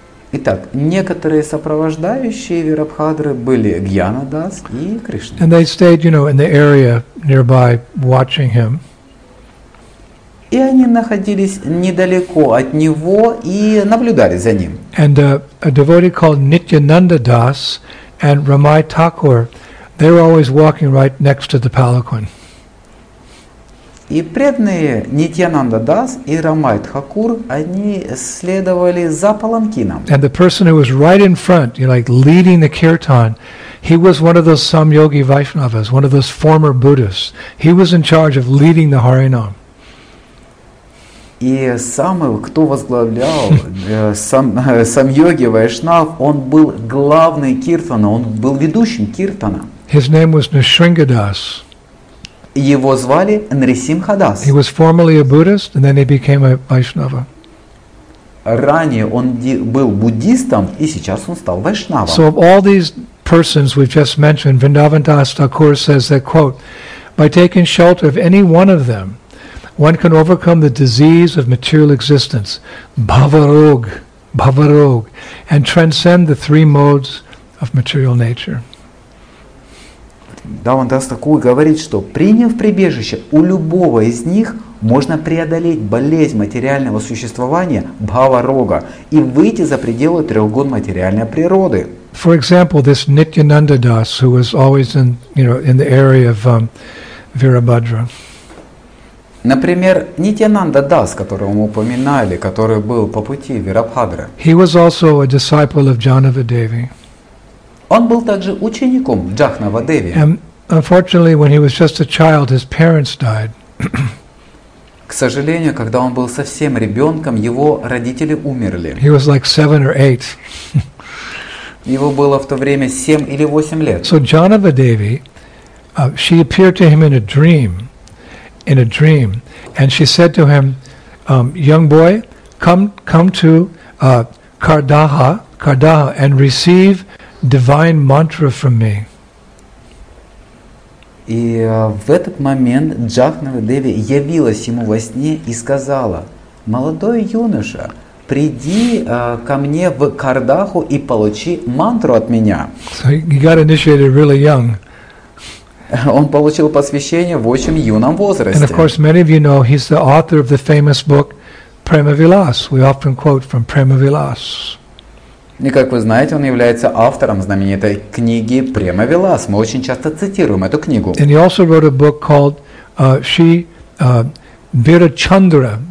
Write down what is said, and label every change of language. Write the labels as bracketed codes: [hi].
[ru] Итак, некоторые сопровождающие Вирабхадры были Гьянадас и Кришна. [en] And they stayed, you know, in the area nearby watching him. [ru] И они находились недалеко от него и наблюдали за ним. [en] And a devotee called Nityananda Das and Ramai Thakur, they were always walking right next to the palanquin. [ru] И преданные Нитьянанда Дас и Рамай Тхакур, они следовали за паланкином. [en] And the person who was right in front, you know, like leading the kirtan, he was one of those Samyogi Vaishnavas, one of those former Buddhists. He was in charge of leading the Harinam. [ru] И самый, кто возглавлял Самьоги Вайшнав, он был главный киртана, он был ведущим киртана. [en] His name was Nrisingadas. [ru] Его звали Нрисимхадас. [en] He was formerly a Buddhist, and then he became a Vaishnava. [ru] Ранее он был буддистом, и сейчас он стал Вайшнавом. [en] So of all these persons we've just mentioned, Vrindavandas Thakur says that, quote, "By taking shelter of any one of them, one can overcome the disease of material existence, bhavarog, bhavarog, and transcend the three modes of material nature." [ru] Даванда Стакур говорит, что приняв прибежище у любого из них, можно преодолеть болезнь материального существования, бхаварога, и выйти за пределы трехгун материальной природы. [en] For example, this Nityananda Das, who was always in, you know, in the area of Virabhadra. [ru] Например, Нитьянанда Дас, которого мы упоминали, который был по пути Вирабхадры. [en] He was also a disciple of Jahnavadevi. [ru] Он был также учеником Джахнавадеви. [en] And unfortunately, when he was just a child, his parents died. [ru] К сожалению, когда он был совсем ребенком, его родители умерли. [en] He was like 7 or 8. [ru] Его было в то время 7 или 8 лет. [en] So Jahnavadevi, she appeared to him in a dream, and she said to him, "Young boy, come to Kardaha, and receive divine mantra from me." [ru] И в этот момент Джахнава Деви явилась ему во сне и сказала: молодой юноша, приди ко мне в Кардаху и получи мантру от меня. [en] So he got initiated really young. [ru] Он получил посвящение в очень юном возрасте. [en] And of course, many of you know he's the author of the famous book Prema Vilas. We often quote from Prema Vilas. [ru] И как вы знаете, он является автором знаменитой книги Prema Vilas. Мы очень часто цитируем эту книгу. [en] And he also wrote a book called Virachandra.